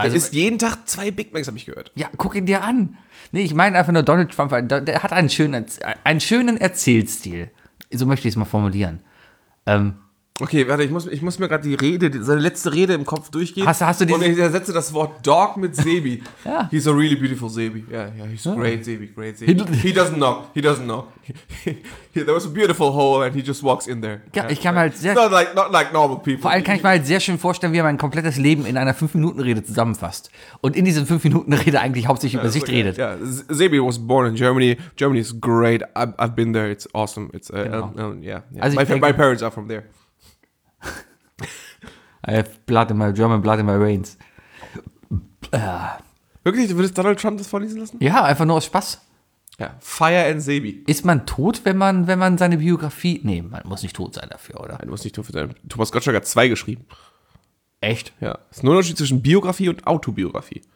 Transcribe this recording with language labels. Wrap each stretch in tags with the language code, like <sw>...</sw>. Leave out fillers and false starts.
<de>Also, der isst jeden Tag 2 Big Macs, habe ich gehört. Ja, guck ihn dir an. Nee, ich meine einfach nur Donald Trump. Der hat einen schönen Erzählstil. So möchte ich es mal formulieren. Okay, warte, ich muss mir gerade seine letzte Rede im Kopf durchgehen. Hast du und ich ersetze das Wort Dog mit Sebi. Ja.</de> <en>He's a really beautiful Sebi. Yeah, he's great Sebi, great Sebi. He doesn't knock. There was a beautiful hole and he just walks in there.</en> <de>Ja, ich kann mal halt sehr...</de> <en>Not like normal people.</en> <de>Vor allem kann ich mir halt sehr schön vorstellen, wie er mein komplettes Leben in einer 5-Minuten-Rede zusammenfasst. Und in diesen 5-Minuten-Rede eigentlich hauptsächlich über sich redet.</de> <en>Yeah. Sebi was born in Germany. Germany is great. I've been there. It's awesome. It's</en> <de>Also</de> <en>my parents are from there. I have blood in my German blood in my veins.</en> <de>Wirklich, du würdest Donald Trump das vorlesen lassen? Ja, einfach nur aus Spaß.</de> <en>Ja. Fire and Sebi.</en> <de>Ist man tot, wenn man seine Biografie. Nee, man muss nicht tot sein dafür, oder? Man muss nicht tot sein. Thomas Gottschalk hat 2 geschrieben. Echt? Ja. Es ist nur ein Unterschied zwischen Biografie und Autobiografie.</de>